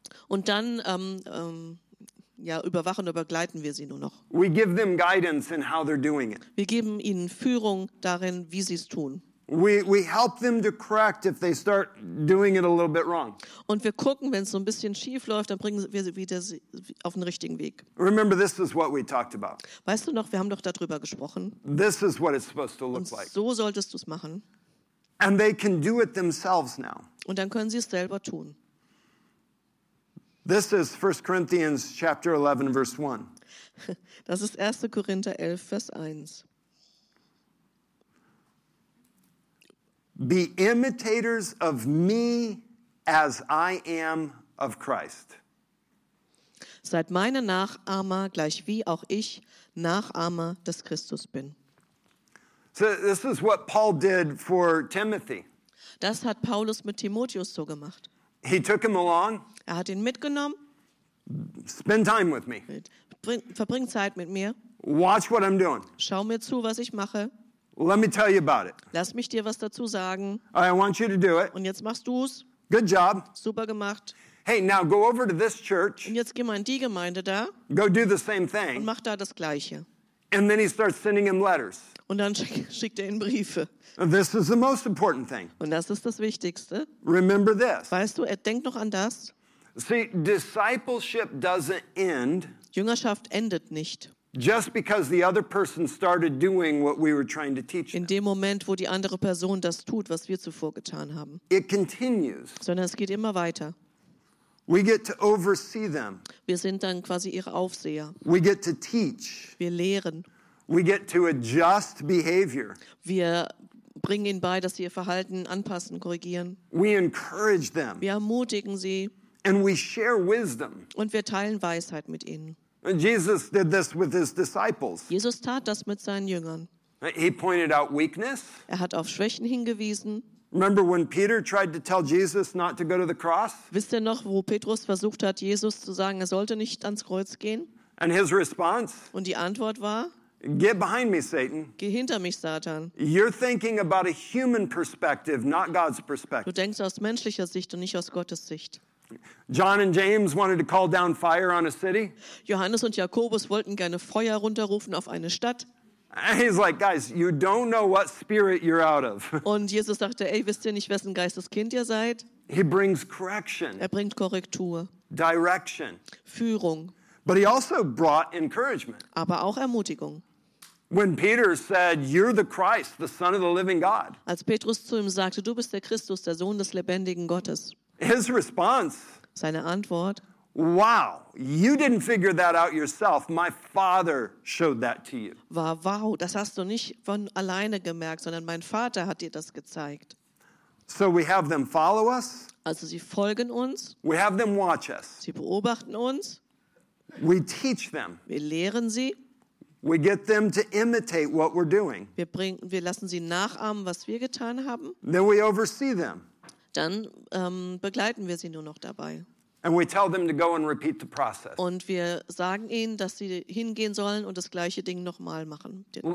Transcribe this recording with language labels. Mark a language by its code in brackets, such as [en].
[de] Und dann überwachen oder begleiten wir sie nur noch. [en] We give them guidance in how they're doing it. [de] Wir geben ihnen Führung darin, wie sie es tun. [en] We help them to correct if they start doing it a little bit wrong. [de] Und wir gucken, wenn es so ein bisschen schief läuft, dann bringen wir sie wieder auf den richtigen Weg. [en] Remember, this is what we talked about. [de] Weißt du noch, wir haben doch darüber gesprochen. [en] This is what it's supposed to look like. [de] Und so solltest du es machen. [en] And they can do it themselves now. [de] Und dann können sie es selber tun. [en] This is 1 Corinthians chapter 11 verse 1. [de] Das ist 1. Korinther 11 Vers 1. [en] Be imitators of me as I am of Christ. [de] Seid meine Nachahmer, gleich wie auch ich Nachahmer des Christus bin. [en] So this is what Paul did for Timothy. [de] Das hat Paulus mit Timotheus so gemacht. [en] He took him along. [de] Er hat ihn mitgenommen. [en] Spend time with me. [de] Verbring Zeit mit mir. [en] Watch what I'm doing. [de] Schau mir zu, was ich mache. [en] Let me tell you about it. [de] Lass mich dir was dazu sagen. [en] I want you to do it. [de] Und jetzt machst du's. [en] Good job. [de] Super gemacht. [en] Hey, now go over to this church. [de] Und jetzt geh mal in die Gemeinde da. [en] Go do the same thing. [de] Und mach da das Gleiche. [en] And then he starts sending him letters. [de] Und dann schickt er ihm Briefe. [en] And this is the most important thing. [de] Und das ist das Wichtigste. [en] Remember this. [de] Weißt du, er denkt noch an das. [en] See, discipleship doesn't end. [de] Jüngerschaft endet nicht. [en] Just because the other person started doing what we were trying to teach. [de] In dem Moment, wo die andere Person das tut, was wir zuvor getan haben. [en] It continues. [de] Sondern es geht immer weiter. [en] We get to oversee them. [de] Wir sind dann quasi ihre Aufseher. [en] We get to teach. [de] Wir lehren. [en] We get to adjust behavior. [de] Wir bringen ihnen bei, dass sie ihr Verhalten anpassen, korrigieren. [en] We encourage them. [de] Wir ermutigen sie. [en] And we share wisdom. [de] Und wir teilen Weisheit mit ihnen. [en] Jesus did this with his disciples. [de] Jesus tat das mit seinen Jüngern. [en] He pointed out weakness. [de] Er hat auf Schwächen hingewiesen. [en] Remember when Peter tried to tell Jesus not to go to the cross? [de] Wisst ihr noch, wo Petrus versucht hat, Jesus zu sagen, er sollte nicht ans Kreuz gehen? [en] And his response? [de] Und die Antwort war? [en] Get behind me, Satan. [de] Geh hinter mich, Satan. [en] You're thinking about a human perspective, not God's perspective. [de] Du denkst aus menschlicher Sicht und nicht aus Gottes Sicht. [en] John and James wanted to call down fire on a city. [de] Johannes und Jakobus wollten gerne Feuer runterrufen auf eine Stadt. [en] He's like, guys, you don't know what spirit you're out of. [de] Und Jesus sagte, ey, wisst ihr nicht, wessen Geisteskind ihr seid? [en] He brings correction. [de] Er bringt Korrektur. [en] Direction. [de] Führung. [en] But he also brought encouragement. [de] Aber auch Ermutigung. [en] When Peter said, "You're the Christ, the Son of the Living God." [de] Als Petrus zu ihm sagte, du bist der Christus, der Sohn des lebendigen Gottes. [en] His response. [de] Seine Antwort. [en] Wow, you didn't figure that out yourself. My Father showed that to you. [de] War wow, das hast du nicht von alleine gemerkt, sondern mein Vater hat dir das gezeigt. [en] So we have them follow us. [de] Also sie folgen uns. [en] We have them watch us. [de] Sie beobachten uns. [en] We teach them. [de] Wir lehren sie. [en] We get them to imitate what we're doing. [de] Wir lassen sie nachahmen, was wir getan haben. [en] Then we oversee them. [de] Dann begleiten wir sie nur noch dabei. [en] And we tell them to go and repeat the process. [de] Und wir sagen ihnen, dass sie hingehen sollen und das gleiche Ding nochmal machen.